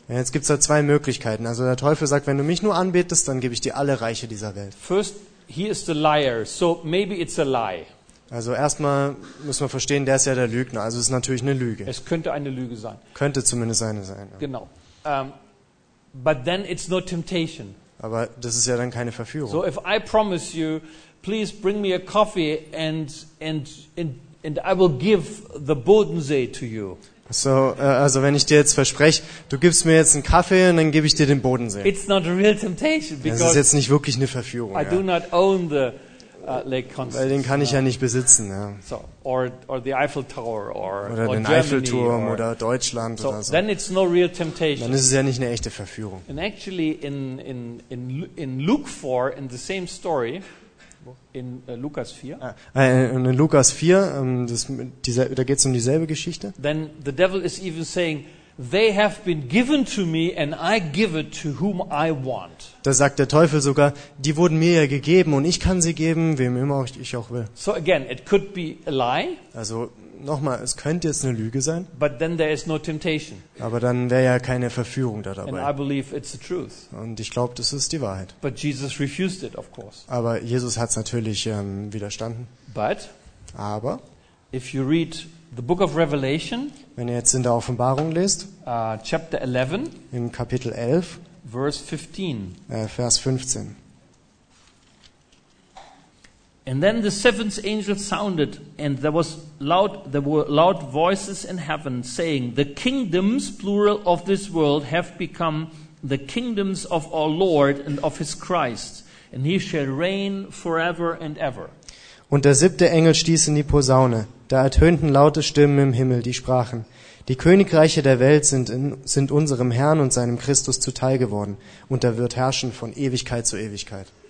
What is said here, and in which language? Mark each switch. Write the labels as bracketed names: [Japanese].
[German] Ja, jetzt gibt's da zwei Möglichkeiten. Also der Teufel sagt, wenn du mich nur anbetest, dann gebe ich dir alle Reiche dieser Welt. [English] First, he is the liar, so maybe it's a lie. [German] Also erstmal muss man verstehen, der ist ja der Lügner. Also es ist natürlich eine Lüge. Es könnte eine Lüge sein. Könnte zumindest eine sein. Ja. Genau. [English] But then it's no temptation. [German] Aber das ist ja dann keine Verführung. [English] So if I promise you, please bring me a coffee and I will give the Bodensee to you. [German] So, also wenn ich dir jetzt verspreche, du gibst mir jetzt einen Kaffee und dann gebe ich dir den Bodensee. [English] It's not a real temptation [German] because das ist jetzt nicht wirklich eine Verführung. [English] I do not own the Lake [German] Constance. Weil den kann ich ja nicht besitzen. Ja. [English] So, or the Eiffel Tower or [German] oder den Eiffelturm oder Deutschland [English] so, [German] oder so. [English] Then it's no real temptation. [German] Dann ist es ja nicht eine echte Verführung. [English] And actually in Luke 4 in the same story. [German] In Lukas 4. In Lukas 4, da geht es um dieselbe Geschichte. [English] Then the devil is even saying, they have been given to me and I give it to whom I want. [German] Da sagt der Teufel sogar, die wurden mir ja gegeben und ich kann sie geben, wem immer ich auch will. [English] So again, it could be a lie. [German] Also nochmal, es könnte jetzt eine Lüge sein. [English] But then there is no temptation. [German] Aber dann wäre ja keine Verführung da dabei. [English] And I believe it's the truth. [German] Und ich glaube, das ist die Wahrheit. [English] But Jesus refused it, of course. [German] Aber Jesus hat es natürlich widerstanden. [English] But [German] aber [English] if you read the book of Revelation, [German] wenn ihr jetzt in der Offenbarung lest, [English] chapter 11, [German] im Kapitel 11, [English] verse 15, [German] Vers 15. [English] And then the seventh angel sounded, and there were loud voices in heaven saying, the kingdoms, plural, of this world have become the kingdoms of our Lord and of his Christ, and he shall reign forever and ever. [German] Und der siebte Engel stieß in die Posaune. Da ertönten laute Stimmen im Himmel, die sprachen, die Königreiche der Welt sind unserem Herrn und seinem Christus zuteil geworden, und er wird herrschen von Ewigkeit zu Ewigkeit.